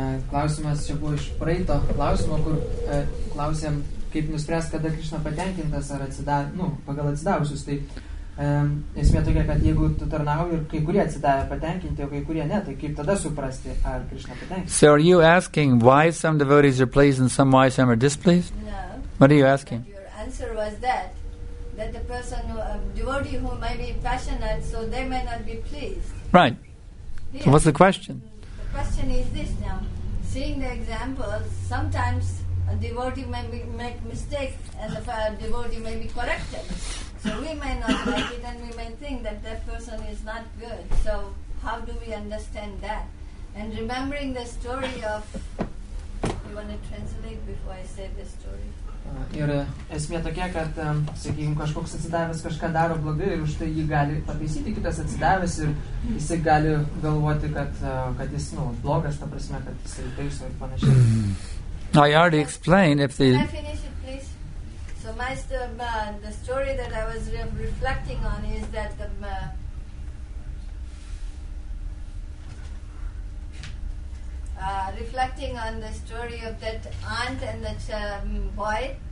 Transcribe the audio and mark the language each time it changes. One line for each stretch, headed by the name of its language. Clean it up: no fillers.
Lithuanian: Klausimas čia buvo iš praeito klausimo, kur klausėm, kaip nuspręs, kada Krishna patenkintas ar pagal atsidavusius. Tai esmė tokia, kad jeigu tu tarnauji ir kai kurie atsidavę patenkinti, o kai kurie ne, tai kaip tada suprasti, ar Krishna patenkintas?
English: So are you asking why some devotees are pleased and some why some are displeased? No. What are you asking? Your answer was that the person, devotee who may be passionate, so they may not be pleased. Right. Yes. So what's the question? The question is this now. Seeing the example, sometimes a devotee may make mistake and the devotee may be corrected. So we may not like it and we may think that person is not good. So how do we understand that? And remembering the story of... You want to translate before I say the story?
Lithuanian: Ir esmė tokia, kad sakykim, kažkoks atsidavęs kažką daro blogai ir už tai jį gali pataisyti kitas atsidavęs ir jisai gali galvoti, kad jis blogas, ta prasme, kad jisai taiso ir panašiai.
English: I already explained if the... Can I finish it, please? So the story that I was reflecting on is that the... reflecting on the story of that aunt and that boy.